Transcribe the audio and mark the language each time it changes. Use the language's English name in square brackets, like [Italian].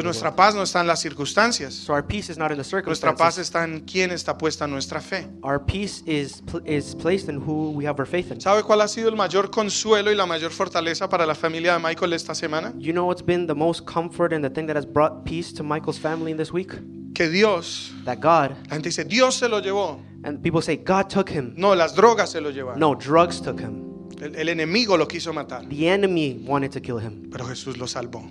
[Spanish] entonces, nuestra [English] world. [Spanish] Paz no está en las circunstancias. [English] So our peace is not in the circumstances. [Spanish] Nuestra paz está en quién está puesta nuestra fe. [English] Our peace is placed in who we have our faith in. [Spanish] ¿Sabe cuál ha sido el mayor consuelo y la mayor fortaleza para la familia de Michael esta semana? [English] You know what's been the most comfort and the thing that has brought peace to Michael's family in this week? [Spanish] Que Dios, [English] that God, [Spanish] la gente dice, Dios se lo llevó. [English] And people say, God took him. [Spanish] No, las drogas se lo llevaron. [English] No, drugs took him. [Spanish] El enemigo lo quiso matar. [English] The enemy wanted to kill him. [Spanish] Pero Jesús lo salvó.